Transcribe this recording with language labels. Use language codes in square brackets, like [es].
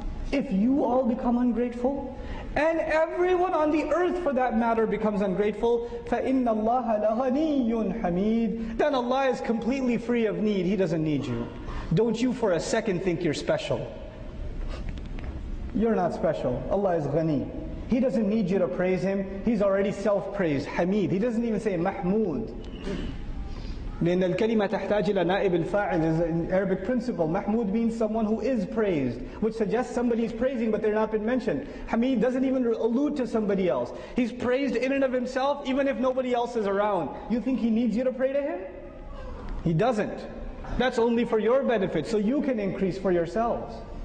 [en] If you all become ungrateful, and everyone on the earth for that matter becomes ungrateful, [ar] فَإِنَّ اللَّهَ لَغَنِيٌّ حَمِيدٌ. [en] Then Allah is completely free of need. He doesn't need you. Don't you for a second think you're special. You're not special. Allah is ghani. He doesn't need you to praise Him. He's already self-praised. Hamid. He doesn't even say Mahmood. [ar] لِأَنَّ الْكَلِمَةَ تَحْتَاجِ إِلَى نَائِبِ الْفَاعِلِ [en] is an Arabic principle. Mahmood means someone who is praised, which suggests somebody is praising but they're not been mentioned. Hamid doesn't even allude to somebody else. He's praised in and of himself even if nobody else is around. You think he needs you to pray to him? He doesn't. That's only for your benefit, so you can increase for yourselves.